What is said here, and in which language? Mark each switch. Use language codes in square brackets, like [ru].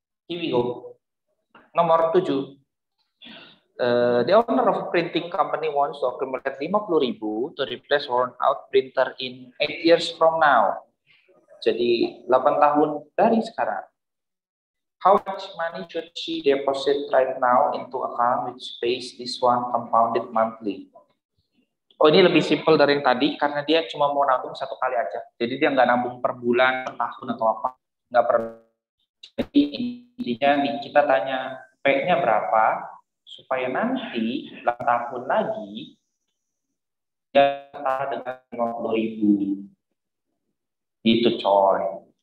[en] Here we go. [id] Nomor 7. [en] The owner of a printing company wants to accumulate $50,000 to replace worn out printer in 8 years from now. [id] Jadi 8 tahun dari sekarang. [en] How much money should she deposit right now into account which pays this one compounded monthly? [id] Oh, ini lebih simple dari yang tadi karena dia cuma mau nabung satu kali aja. Jadi dia nggak nabung per bulan, per tahun atau apa. Nggak per. Jadi intinya nih, kita tanya P-nya berapa? Supaya nanti 8 tahun lagi dia setara dengan 50.000 itu coy.